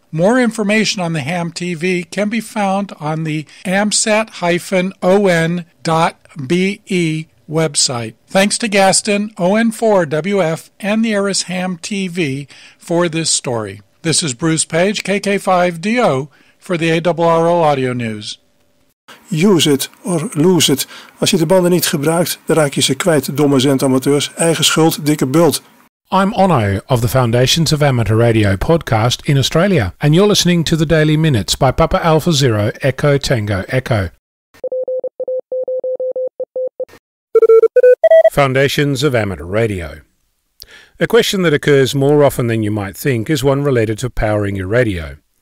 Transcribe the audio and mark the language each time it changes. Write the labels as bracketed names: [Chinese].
[English] More information on the ham TV can be found on the amsat-on.be website. Thanks to Gaston, ON4WF, and the ARRIS ham TV for this story. This is Bruce Page, KK5DO, for the ARRL Audio News. Use it or lose it. [Dutch] Als je de banden niet gebruikt, dan raak je ze kwijt, domme zendamateurs. Eigen schuld, dikke bult. [English] I'm Ono of the Foundations of Amateur Radio podcast in Australia, and you're listening to the Daily Minutes by Papa Alpha Zero Echo Tango Echo. Foundations of Amateur Radio. A question that occurs more often than you might think is one related to powering your radio.